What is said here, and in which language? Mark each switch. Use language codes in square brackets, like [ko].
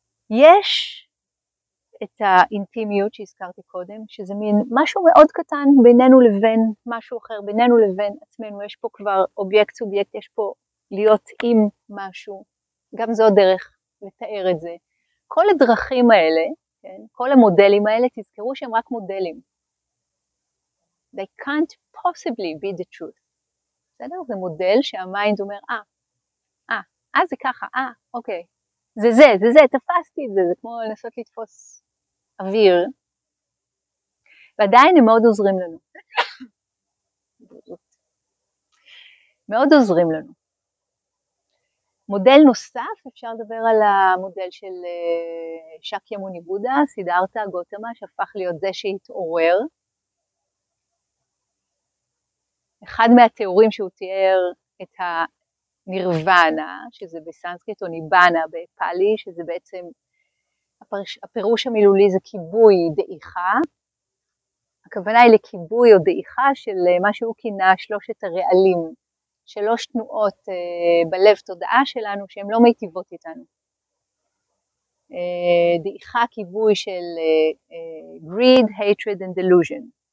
[he] יש את האינטימיות שהזכרתי קודם, שזה מין משהו מאוד קטן בינינו לבין משהו אחר, בינינו לבין עצמנו, יש פה כבר אובייקט סובייקט, יש פה להיות עם משהו, גם זו הדרך לתאר את זה. כל הדרכים האלה, כן, כל המודלים האלה, תזכרו שהם רק מודלים. [en] They can't possibly be the truth. [he] בסדר? זה מודל שהמיינד אומר, זה ככה, אוקיי. זה, תפסתי את זה, זה כמו לנסות לתפוס אוויר. ועדיין הם מאוד עוזרים לנו. מאוד עוזרים לנו. מודל נוסף, אפשר לדבר על המודל של שקיימוני בודה, סידארתה גוטמה, שהפך להיות זה שהתעורר. אחד מהתיאורים שהוא תיאר את ה... נירוונה, שזה בסנסקריט, או ניבנה בפאלי, שזה בעצם הפירוש המילולי זה כיבוי, דעיכה. הכוונה היא לכיבוי או דעיכה של מה שהוא כינה שלושת הרעלים, שלוש תנועות בלב תודעה שלנו שהן לא מיטיבות איתנו. דעיכה, כיבוי של [en] greed, hatred and delusion.